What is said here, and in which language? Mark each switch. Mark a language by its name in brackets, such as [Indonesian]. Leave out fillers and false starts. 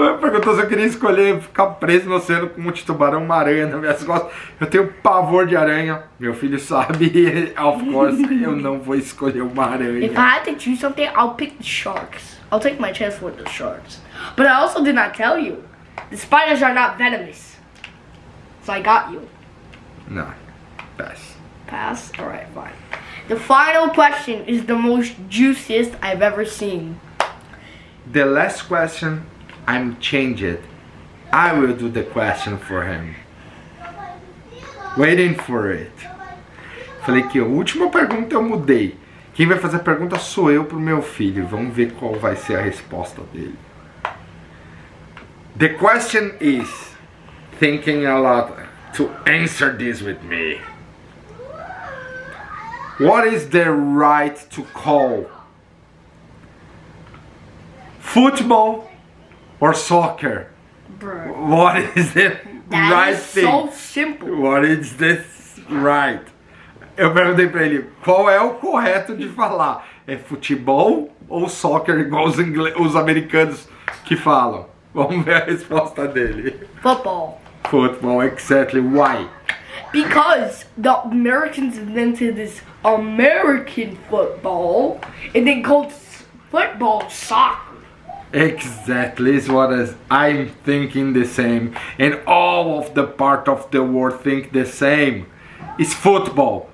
[Portuguese] Perguntou se eu queria escolher ficar preso no oceano com um tubarão, uma aranha nas minhas costas. Eu tenho pavor de aranha. Meu filho sabe. [English] Of course, [Portuguese] eu não vou escolher uma aranha. [English] If I had to choose something, I'll pick the sharks. I'll take my chance with the sharks. But I also did not tell you. The spiders are not venomous. So I got you. No. Best. Pass? Alright, fine. The final question is the most juiciest I've ever seen. The last question, I'm changed. I will do the question for him. Waiting for it. [Portuguese] Falei que a última pergunta eu mudei. Quem vai fazer a pergunta sou eu pro meu filho. Vamos ver qual vai ser a resposta dele. [English] The question is, thinking a lot to answer this with me. What is the right to call? Football or soccer? Bruh. What is the right thing? That is so simple. What is this right? [Portuguese] Eu perguntei pra ele, qual é o correto de falar? É futebol ou soccer, igual os, os americanos que falam? Vamos ver a resposta dele. [English] Football. Football, exactly. Why? Because the Americans invented this American football and they called football soccer. Exactly, is what is. I'm thinking the same and all of the part of the world think the same. It's football.